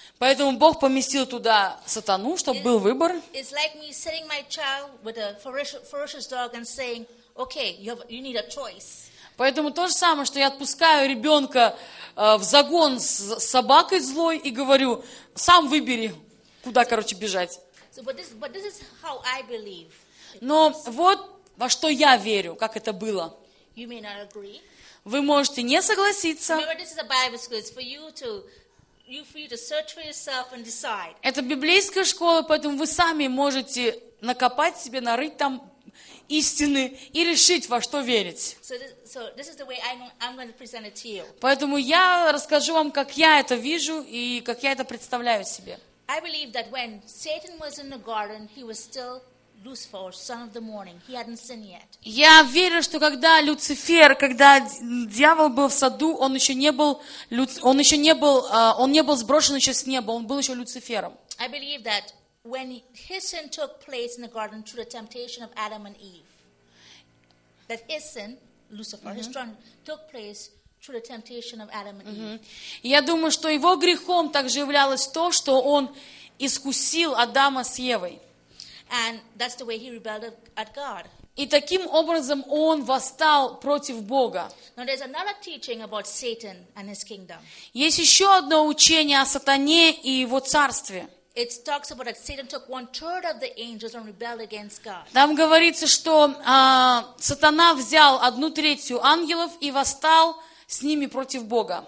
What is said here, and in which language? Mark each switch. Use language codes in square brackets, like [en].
[ru] Поэтому Бог поместил туда сатану, чтобы был выбор. [en] It's like me sitting my child with a ferocious dog and saying, okay, you need a choice. [ru] Поэтому то же самое, что я отпускаю ребенка в загон с собакой злой и говорю, сам выбери, куда, короче, бежать. [en] So, but this is how I believe. [ru] Но вот во что я верю, как это было. [en] You may not agree. [ru] Вы можете не согласиться. [en] Remember, this is a Bible school. It's for you to... for you to search for yourself and decide. [ru] Это библейская школа, поэтому вы сами можете накопать себе, нарыть там истины и решить, во что верить. [en] So this is the way I'm going to present it to you. Поэтому я расскажу вам, как я это вижу и как я это представляю себе. I believe that when Satan was in the garden, he was still Lucifer, son of the morning. He hadn't sinned yet. [ru] Я верю, что когда Люцифер, когда дьявол был в саду, он не был сброшен еще с неба, он был еще Люцифером. [en] I believe that when his sin took place in the garden through the temptation of Adam and Eve, that his sin, Lucifer, his throne, took place through the temptation of Adam and Eve. [ru] Я думаю, что его грехом также являлось то, что он искусил Адама с Евой. [en] And that's the way he rebelled at God. [ru] И таким образом он восстал против Бога. [en] Now there's another teaching about Satan and his kingdom. [ru] Есть еще одно учение о сатане и его царстве. [en] It talks about that Satan took 1/3 of the angels and rebelled against God. [ru] Там говорится, что сатана взял 1/3 ангелов и восстал с ними против Бога.